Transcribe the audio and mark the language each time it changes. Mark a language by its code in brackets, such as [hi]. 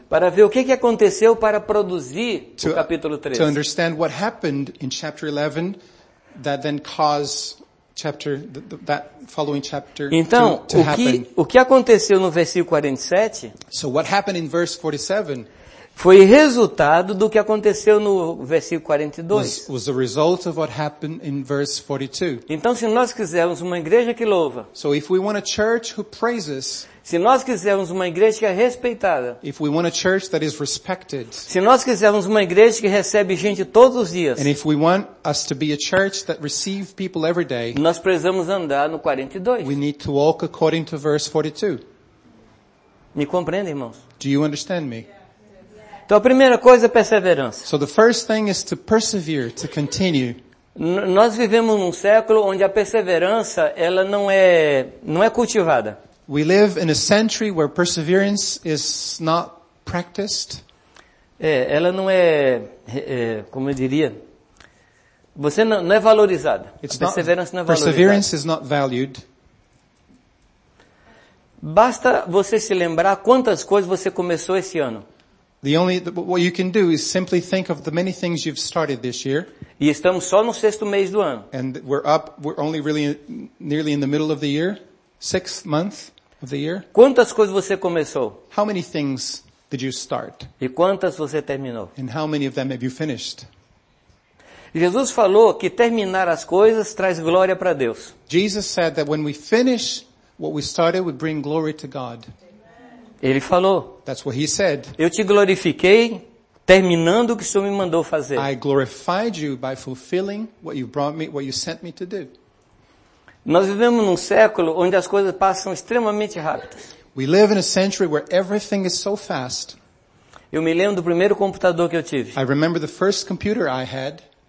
[pt] Para ver o que aconteceu para produzir o capítulo 13. [en] To understand what happened in chapter 11 that then caused that following chapter [pt] então, [en] to happen. [pt] O que aconteceu no versículo 47? [en] So what happened in verse 47? [pt] Foi resultado do que aconteceu no versículo 42. [en] Was the result of what happened in verse 42. [pt] Então, se nós quisermos uma igreja que louva, [en] so if we want a church who praises, [pt] se nós quisermos uma igreja que é respeitada, [en] if we want a church that is respected, [pt] se nós quisermos uma igreja que recebe gente todos os dias, [en] and if we want us to be a church that receive people every day, [pt] nós precisamos andar no 42. [en] We need to walk according to verse 42. [pt] Me compreende, irmãos? [en] Do you understand me? [pt] Então a primeira coisa é perseverança. [en] So the first thing is to persevere, to continue. [pt] Nós vivemos num século onde a perseverança ela não é cultivada. [en] We live in a century where perseverance is not practiced. [pt] É, ela não é, como eu diria, você não é valorizada. [en] It's a [pt] perseverança não é valorizada. [en] Perseverance is not valued. [pt] Basta você se lembrar quantas coisas você começou esse ano. [en] The only what you can do is simply think of the many things you've started this year. [pt] E estamos só no sexto mês do ano. [en] And we're only really nearly in the middle of the year, sixth month of the year. [pt] Quantas coisas você começou? [en] How many things did you start? [pt] E quantas você terminou? [en] And how many of them have you finished? [pt] Jesus falou que terminar as coisas traz glória para Deus. [en] Jesus said that when we finish what we started, we bring glory to God. [pt] Ele falou. [en] That's what he said. [pt] Eu te glorifiquei terminando o que o Senhor me mandou fazer. [en] I glorified you by fulfilling what you brought me, what you sent me to do. [pt] Nós vivemos num século onde as coisas passam extremamente rápido. [en] We live in a century where everything is so fast. [pt] Eu me lembro do primeiro computador que eu tive. [en] I remember the first computer I had.